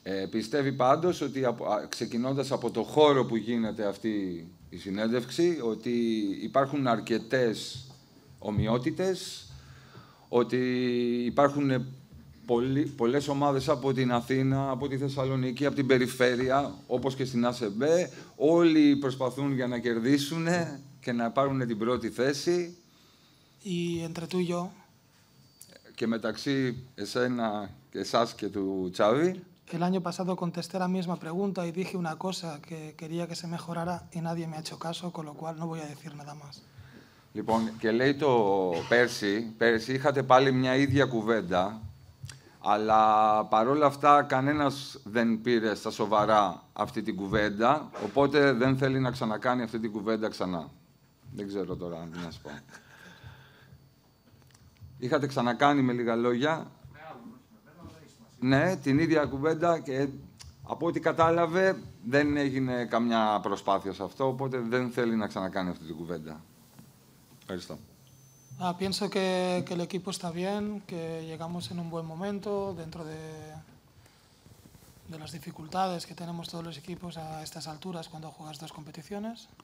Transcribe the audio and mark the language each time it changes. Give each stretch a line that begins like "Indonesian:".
Greek: Πιστεύει πάντως ότι ξεκινώντας από το χώρο που γίνεται αυτή η συνέντευξη, ότι υπάρχουν αρκετές ομοιότητες, ότι υπάρχουν πολλές ομάδες από την Αθήνα, από τη Θεσσαλονίκη, από την περιφέρεια, όπως και στην ΑΣΕΜΠΕ, όλοι προσπαθούν για να κερδίσουν και να πάρουν την πρώτη θέση.
Spanish: Ή entre tú y yo.
Greek: Και μεταξύ εσένα, εσάς και του Τσάβη.
Spanish: El año pasado contesté la misma pregunta y dije una cosa que quería que se mejorara y nadie me ha hecho caso, con lo cual no voy a decir nada más.
Greek: Λοιπόν, και λέει το πέρσι είχατε πάλι μια ίδια κουβέντα, αλλά παρόλα αυτά κανένας δεν πήρε στα σοβαρά αυτή την κουβέντα, οπότε δεν θέλει να ξανακάνει αυτή την κουβέντα ξανά. Δεν ξέρω τώρα τι να σου πω. Είχατε ξανακάνει με λίγα λόγια. Ναι, την ίδια κουβέντα και από ό,τι κατάλαβε δεν έγινε καμιά προσπάθεια σε αυτό, οπότε δεν θέλει να ξανακάνει αυτή την κουβέντα. Ευχαριστώ.
Spanish: Pienso que el equipo está bien, que llegamos en un buen momento dentro de las dificultades que tenemos todos los equipos a estas alturas cuando juegas dos competiciones.